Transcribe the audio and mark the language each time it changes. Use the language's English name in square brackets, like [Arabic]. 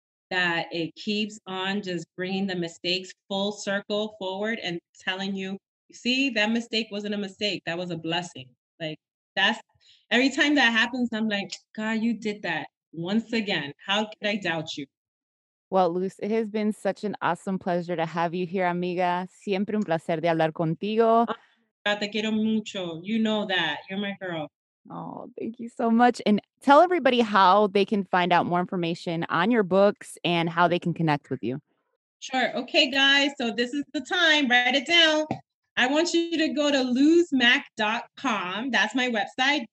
[English] That it keeps on just bringing the mistakes full circle forward and telling you, see, that mistake wasn't a mistake. That was a blessing. Like, that's every time that happens, I'm like, God, you did that once again. How could I doubt you? Well, Luz, it has been such an awesome pleasure to have you here, amiga. [Spanish] Siempre un placer de hablar contigo. [English] God, [Spanish] te quiero mucho. [English] You know that. You're my girl. Oh, thank you so much. And tell everybody how they can find out more information on your books and how they can connect with you. Sure. Okay, guys. So this is the time. Write it down. I want you to go to luzmack.com. That's my website.